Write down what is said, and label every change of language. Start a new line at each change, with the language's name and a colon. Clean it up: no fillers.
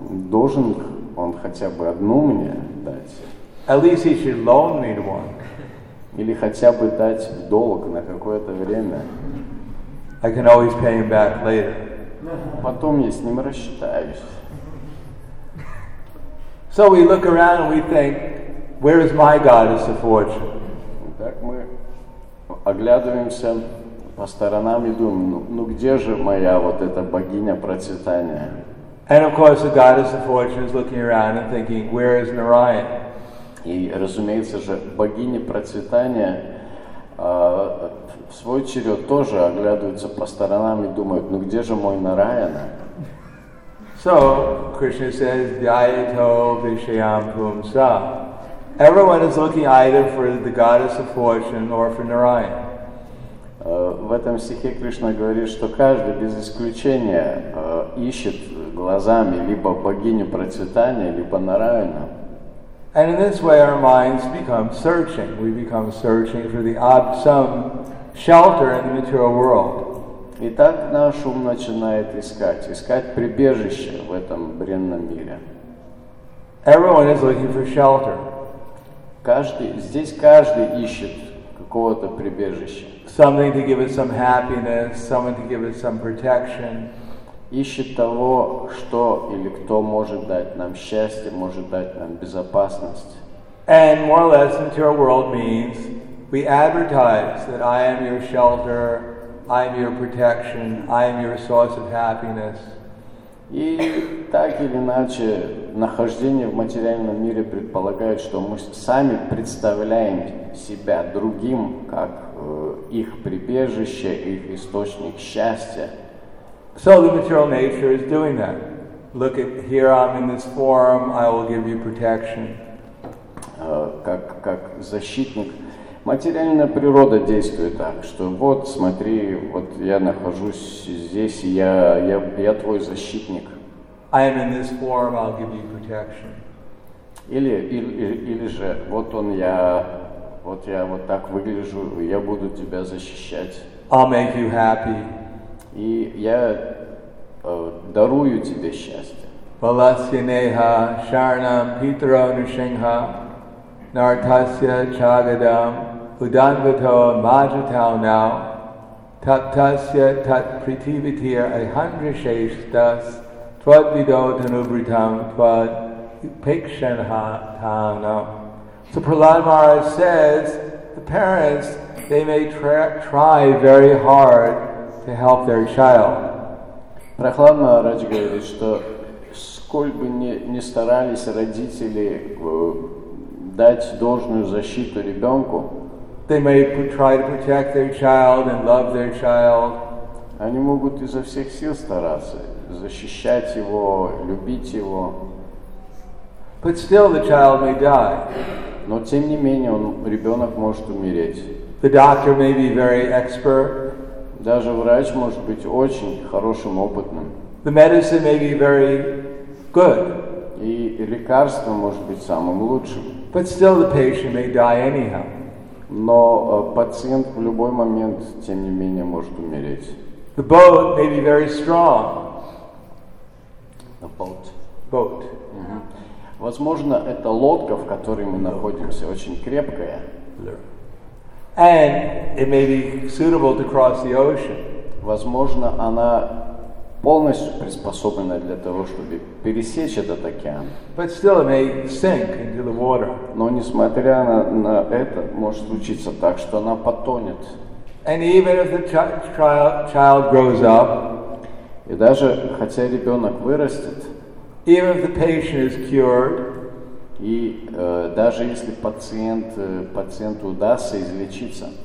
Russian: Должен он хотя бы одну мне дать.
English: At least he should loan me one.
Russian: Или хотя бы дать в долг на какое-то время.
English: I can always pay him back later.
Russian: Потом я с ним рассчитаюсь.
English: So we look around and we think, where is my goddess of fortune?
Russian: Так мы оглядываемся по сторонам и думаем, ну где же моя вот эта богиня процветания?
English: And of course the goddess of fortune is looking around and thinking, where is Narayan?
Russian: И, разумеется же, богиня процветания в свой черед тоже оглядывается по сторонам и думает, ну где же мой Нараяна?
English: So, Krishna says,
Sanskrit: Dhyayato Vishayam Pumsa.
English: Everyone is looking either for the goddess of fortune or for Narayana.
Russian: В этом стихе Кришна говорит, что каждый без исключения ищет глазами либо богиню процветания, либо Нараяна.
English: And in this way, our minds become searching. We become searching for some shelter in the material world.
Russian: И так наш ум начинает искать прибежище в этом бренном мире.
English: Everyone is looking for shelter.
Russian: Каждый ищет какого-то прибежища.
English: Something to give us some happiness, someone to give us some protection.
Russian: Ищет того, что или кто может дать нам счастье, может дать нам безопасность.
English: And more or less, material world means we advertise that I am your shelter, I am your protection, I am your source of happiness.
Russian: И так или иначе, нахождение в материальном мире предполагает, что мы сами представляем себя другим, как их прибежище, их источник счастья.
English: So the material nature is doing that. Look at here, I'm in this form, I will give you protection.
Russian: Как защитник. Материальная природа действует так, что вот, смотри, вот я нахожусь здесь, и я твой защитник.
English: I am in this form, I'll give you protection.
Russian: Или же, вот он я, вот я вот так выгляжу, я буду тебя защищать.
English: I'll make you happy.
Russian: И я дарую тебе счастье.
Sanskrit: Паласинеха шарнам питро нишенха нартасья чагадам уданвато маджатау нау таттасья татпритивития айхандришештас твадвидо танубритам твад пикшанха танам.
English: So Prahlad Maharaj says, the parents, they may try very hard to help their child.
Russian: Prahlad Maharaj говорит, что сколь бы ни старались родители дать должную защиту ребенку,
English: they may try to protect their child and love their child.
Russian: Они могут изо всех сил стараться защищать его, любить его.
English: But still the child may die.
Russian: Но тем не менее он, ребенок может умереть.
English: The doctor may be very expert.
Russian: Даже врач может быть очень хорошим, опытным.
English: The medicine may be very good.
Russian: И лекарство может быть самым лучшим.
English: But still the patient may die anyhow.
Russian: Но пациент в любой момент, тем не менее, может умереть.
English: The boat may be very strong. The boat. Boat.
Russian: Возможно, это лодка, в которой мы находимся, очень крепкая.
English: And it may be suitable to cross the ocean.
Russian: Возможно, она полностью приспособлена для того, чтобы пересечь этот океан.
English: But still it may sink into the water.
Russian: Но несмотря на это, может случиться так, что она потонет.
English: And even if the child grows up,
Russian: и даже хотя ребенок вырастет,
English: even if the patient is cured,
Russian: и даже если пациенту удастся излечиться,